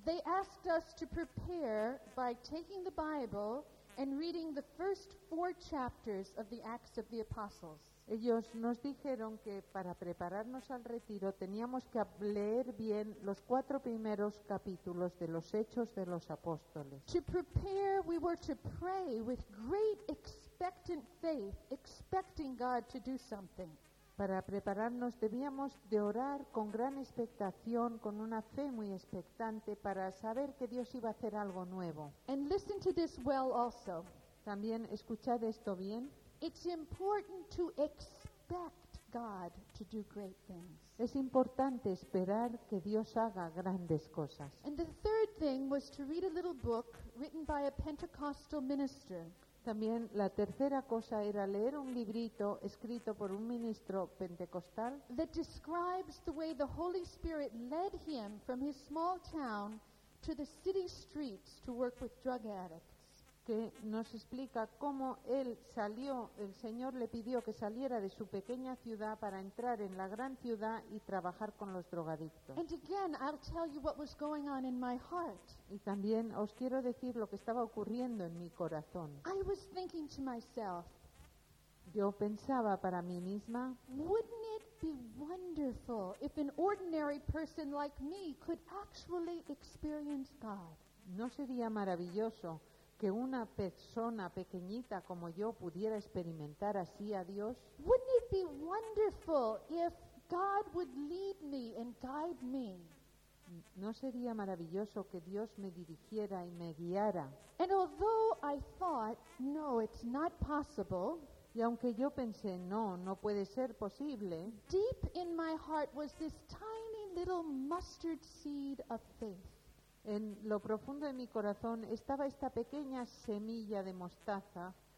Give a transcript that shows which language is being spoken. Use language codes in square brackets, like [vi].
[en] They asked us to prepare by taking the Bible and reading the first four chapters of the Acts of the Apostles. [es] Ellos nos dijeron que para prepararnos al retiro teníamos que leer bien los cuatro primeros capítulos de los Hechos de los Apóstoles. [en] To prepare, we were to pray with great expectant faith, expecting God to do something. [es] Para prepararnos debíamos de orar con gran expectación, con una fe muy expectante, para saber que Dios iba a hacer algo nuevo. [en] And listen to this well also. [es] También escuchad esto bien. [en] It's important to expect God to do great things. [es] Es importante esperar que Dios haga grandes cosas. [en] And the third thing was to read a little book written by a Pentecostal minister. [es] También la tercera cosa era leer un librito escrito por un ministro pentecostal. [en] That describes the way the Holy Spirit led him from his small town to the city streets to work with drug addicts. [es] Que nos explica cómo él salió, el Señor le pidió que saliera de su pequeña ciudad para entrar en la gran ciudad y trabajar con los drogadictos. [en] And again, I'll tell you what was going on in my heart. [es] Y también os quiero decir lo que estaba ocurriendo en mi corazón. [en] I was thinking to myself, [es] yo pensaba para mí misma, [en] wouldn't it be wonderful if an ordinary person like me could actually experience God? [es] ¿No sería maravilloso que una persona pequeñita como yo pudiera experimentar así a Dios? [en] Wouldn't it be wonderful if God would lead me and guide me? [es] ¿No sería maravilloso que Dios me dirigiera y me guiara? [en] And although I thought, no, it's not possible, [es] y aunque yo pensé, no, no puede ser posible, [en] deep in my heart was this tiny little mustard seed of faith. [es] En lo profundo de mi corazón estaba esta pequeña semilla de mostaza.